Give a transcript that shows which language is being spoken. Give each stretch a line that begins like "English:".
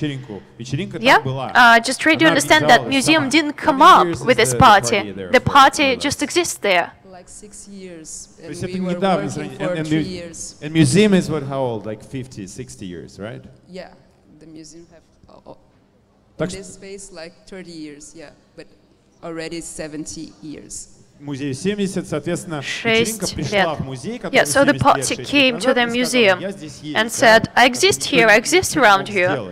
English: Yeah, just try to understand that museum didn't come up with this party, the party just exists there. Like 6 years, and we were working for 3 years. And museum is what, how old, like 50, 60 years, right? Yeah, the museum have this space like 30 years, yeah, but already 70 years.
Russian: Музею 70, соответственно, вечеринка пришла в музей, который
English: Yeah, so the party came to the museum and said, I exist here, I exist around you.